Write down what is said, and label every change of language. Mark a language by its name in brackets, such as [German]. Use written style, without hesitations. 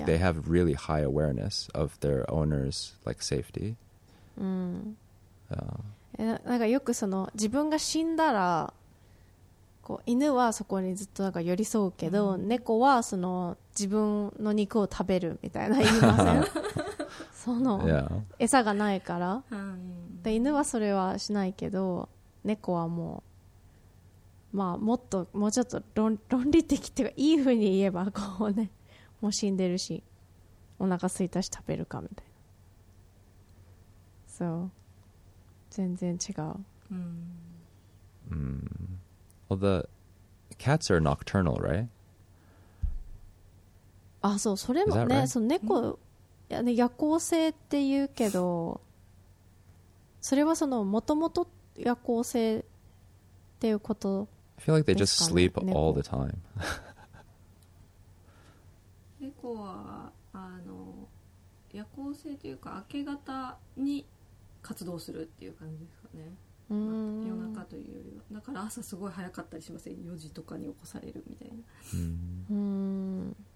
[English] They have really high awareness of their owner's like safety. [Japanese] Like, よくその自分が死んだら、こう犬はそこにずっとなんか寄り添うけど、猫はその自分の肉を食べるみたいな言いません。その餌がないから、で犬はそれはしないけど、猫はもう。まあもっともうちょっと論理的っていうかいい風に言えばこうね。もう死んでるし、お腹空いたし食べるかみたいな。そう、全然違う。 [English] Well, the cats are nocturnal, right? [Japanese] あ、そう、それもね、その猫、いやね、夜行性って言うけど、それはその元々夜行性っていうこと。 [English] I feel like they just sleep all the time. [Japanese] 猫はあの夜行性というか明け方に活動するっていう感じですかね、まあ、夜中というよりはだから朝すごい早かったりしません4時とかに起こされるみたいな